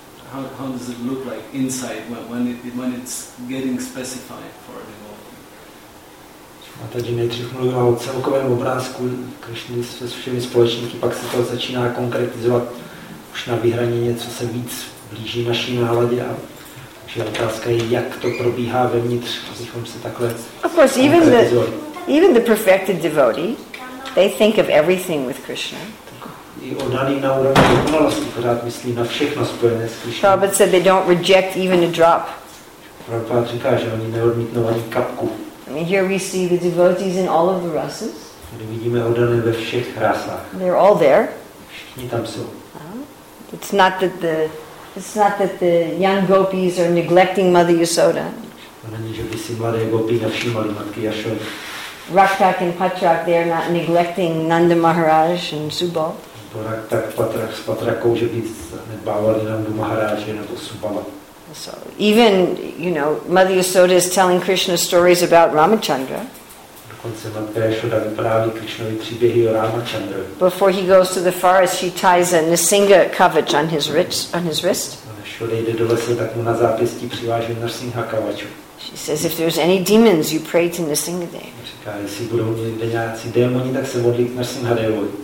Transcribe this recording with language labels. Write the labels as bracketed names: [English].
[English] How does it look like inside when it's getting specified for the mood? [Czech] A takže nejdřív mluvíme o celkovém obrázku Krišny se všemi společníky, pak se to začíná konkretizovat už na vyhranění, co se víc blíží naší náladě. A takže otázka je, jak to probíhá vevnitř, abychom se takhle konkretizovali. [English] Of course, even the perfected devotee, they think of everything with Krishna. [Czech] I odhaný na úrovni dokonalosti pořád myslí na všechno spojené s Krišnou. [English] Prabhupada said they don't reject even a drop. [Czech] Prabhupada říká, že oni neodmítnou ani kapku. [English] I mean, here we see the devotees in all of the rasas. [Czech] Tady vidíme odhany ve všech rasách. [English] They're all there. [Czech] Všichni tam jsou. [English] It's not that the young gopis are neglecting Mother Yasoda. [Czech] Není, že by si mladé gopi nevšimali matky Yashody. [English] Raktak and Patrak, they are not neglecting Nanda Maharaj and Subal. [Czech] To Raktak, Patrak s Patrakou, že by nedbávali Nandu Maharaje nebo Subala. [English] So even, you know, Mother Yasoda is telling Krishna stories about Ramachandra. [Czech] Dokonce Matka Yashoda vypráví Krishnovi příběhy o Ramachandra. [English] Before he goes to the forest, he ties a Nrsinga kavač on his wrist. [Czech] Yashoda jde do lesa, tak mu na zápěstí přiváží Nrsinga kavač. [English] She says, if there's any demons, you pray to Nrsingadeva. [Czech] Říká, jestli budou někde nějací démoni, tak se modlí k Nrsingadevovi.